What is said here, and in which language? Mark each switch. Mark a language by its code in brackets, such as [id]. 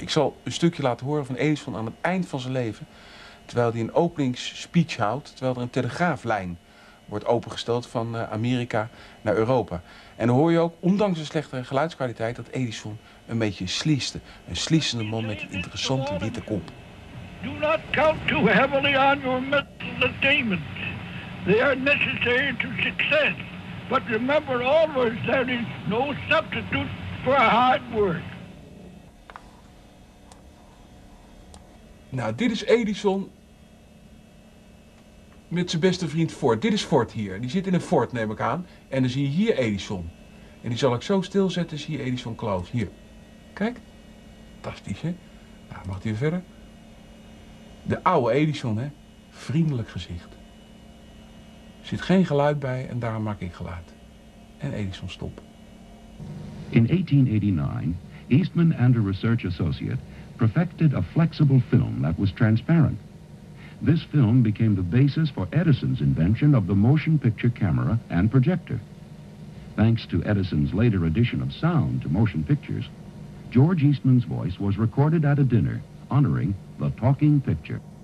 [nl] Ik zal een stukje laten horen van Edison aan het eind van zijn leven. Terwijl hij een openingsspeech houdt. Terwijl er een telegraaflijn wordt opengesteld van Amerika naar Europa. En dan hoor je ook, ondanks de slechte geluidskwaliteit, dat Edison een beetje sliste. Een slissende man met een interessante witte kop. [en] Do not count too heavily on your metal attainment. They are necessary to success. But remember always, there is no substitute for hard work. [nl] Nou, dit is Edison met zijn beste vriend Ford. Dit is Ford hier. Die zit in een Ford, neem ik aan. En dan zie je hier Edison. En die zal ik zo stilzetten, zie je Edison Close. Hier. Kijk. Fantastisch, hè? Nou, mag hij weer verder? De oude Edison, hè? Vriendelijk gezicht. Er zit geen geluid bij en daarom maak ik geluid. En Edison stop. [en] In 1889, Eastman and a research associate perfected a flexible film that was transparent. This film became the basis for Edison's invention of the motion picture camera and projector. Thanks to Edison's later addition of sound to motion pictures, George Eastman's voice was recorded at a dinner honoring the talking picture.